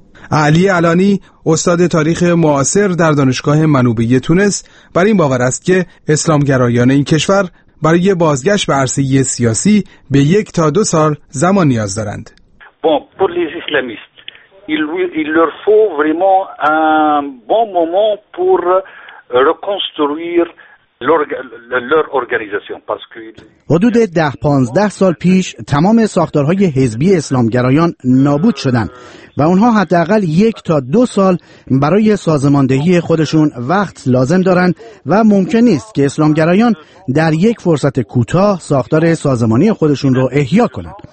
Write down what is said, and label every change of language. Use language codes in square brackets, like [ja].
[fa] علی علانی، استاد تاریخ معاصر در دانشگاه منوبه تونس، بر این باور است که اسلامگرایان این کشور برای بازگشت به عرصه سیاسی به 1 تا 2 سال زمان نیاز دارند. [fr] Il leur faut vraiment un bon moment pour reconstruire leur organisation. [fa] حدود 10-15 سال پیش تمام ساختارهای حزبی اسلامگرایان نابود شدند و اونها حداقل 1 تا 2 سال برای سازماندهی خودشون وقت لازم دارن و ممکن نیست که اسلامگرایان در یک فرصت کوتاه ساختار سازمانی خودشون رو احیا کنند.